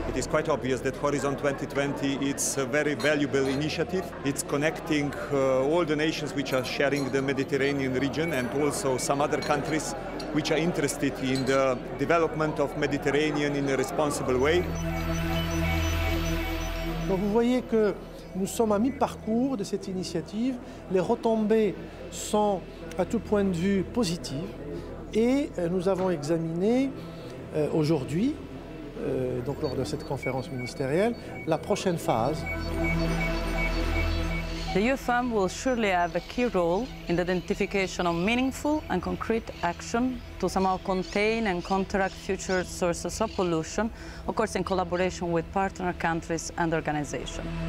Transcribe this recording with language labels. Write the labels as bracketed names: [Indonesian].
[English] Quite obvious that Horizon 2020 is a very valuable initiative. It's connecting all the nations which are sharing the Mediterranean region and also some other countries which are interested in the development of Mediterranean in a responsible way. [French] Donc vous voyez que nous sommes à mi-parcours de cette initiative. Les retombées sont à tout point de vue positives et nous avons examiné aujourd'hui donc lors de cette conférence ministérielle, la prochaine phase. [English] The Youth Fund will surely have a key role in the identification of meaningful and concrete action to somehow contain and counteract future sources of pollution, of course in collaboration with partner countries and organizations.